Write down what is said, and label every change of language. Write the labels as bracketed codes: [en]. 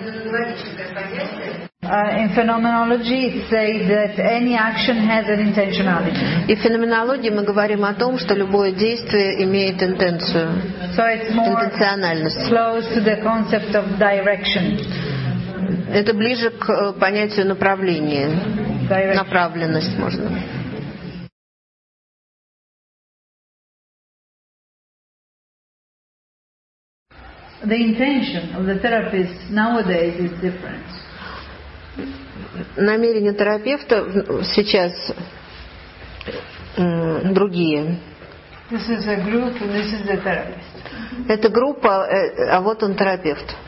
[en] In phenomenology, say that any action has an intentionality. [ru] И в феноменологии мы говорим о том, что любое действие имеет интенцию. [en] So it's more close to the concept of direction. [ru] Это ближе к понятию направления, направленность, можно. [en] The intention of the therapist nowadays is different. [ru] Намерения терапевта сейчас другие. [en] This is a group and this is the therapist. [ru] Это группа, а вот он терапевт.